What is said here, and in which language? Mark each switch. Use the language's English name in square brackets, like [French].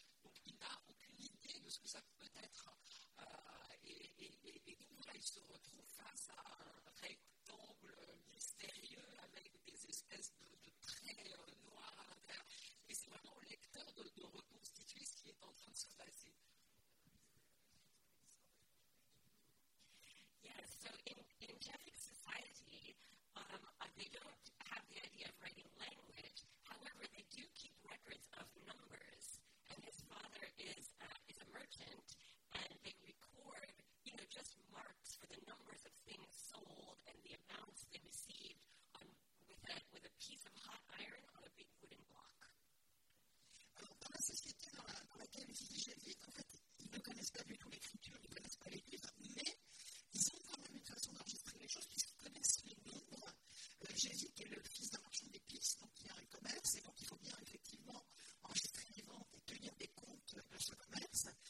[French] Donc, il n'a aucune idée de ce que ça peut être. Et donc, là, il se retrouve face à un rectangle mystérieux avec des espèces de traits noirs à l'intérieur. Et c'est vraiment au lecteur de reconstituer ce qui est en train de se passer. [English] Yes, so in Jeffic society, they don't have the idea of writing language. However, they do keep records of numbers. And his father is a merchant, and they record, you know, just marks for the numbers of things sold and the amounts they received with a piece of hot iron on a big wooden block. [French] Dans la société dans laquelle ils vivent, en fait, ils ne connaissent pas du tout l'écriture, ils ne connaissent pas les livres, mais ils ont quand même une façon d'enregistrer les choses puisqu'ils connaissent les nombres. Jésus qui est le fils d'un marchand d'épices, donc il y a un commerce, et donc il faut bien effectivement enregistrer les ventes et tenir des comptes de ce commerce.